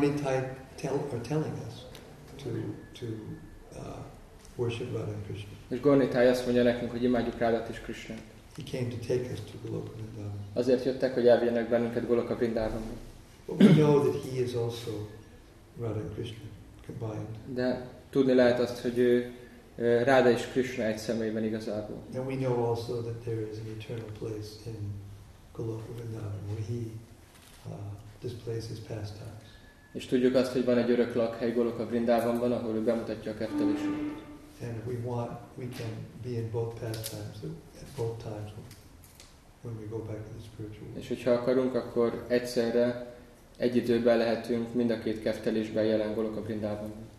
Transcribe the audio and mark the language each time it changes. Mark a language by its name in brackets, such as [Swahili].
[English] Gornitai are telling us to worship Radha and Krishna. [Hungarian] És Gornitai azt mondja nekünk, hogy imádjuk Radhát és Krishnát. [English] He came to take us to Goloka Vrindavan. [Hungarian] Azért jöttek, hogy elvigyenek bennünket Goloka Vrindavanba. [English] We know that he is also Radha and Krishna combined. [Hungarian] De tudni lehet azt, hogy ő Radha és Krishna egy személyben igazából. [English] And we know also that there is an eternal place in Goloka Vrindavan where he displays his pastimes. [Hungarian] És tudjuk azt, hogy van egy örök lakhely Goloka Vrindavanban, ahol ő bemutatja a kettelését. [English] And we can be in both pastimes. Both times when we go back to the spiritual world. [Hungarian] És hogyha akarunk, akkor egyszerre egy időben lehetünk mind a két keftelésben jelen Goloka Vrindában.